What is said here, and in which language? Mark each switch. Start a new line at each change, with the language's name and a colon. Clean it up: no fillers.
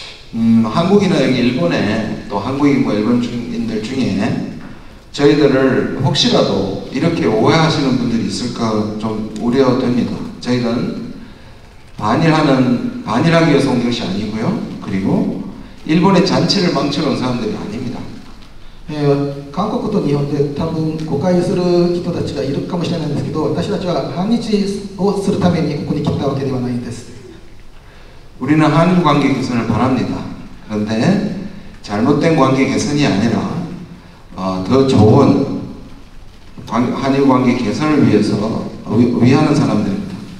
Korean: 한국이나 여기 일본에 또 한국인과 일본 중인들 중에 저희들을 혹시라도 이렇게 오해하시는 분들이 있을까 좀 우려됩니다. 저희는 반일하기 위해서 온 것이 아니고요. 그리고 일본의 잔치를 망쳐놓은 사람들이 아닙니다. 한국과 일본에 다분 오해하는
Japanese: 人たちがいるかもしれないんですけど私たちは反日をするためにここに来たわけではないんです。
Korean: 우리는 한일 관계 개선을 바랍니다. 그런데 잘못된 관계 개선이 아니라 더 좋은 한일 관계 개선을 위해서 위하는 사람들입니다.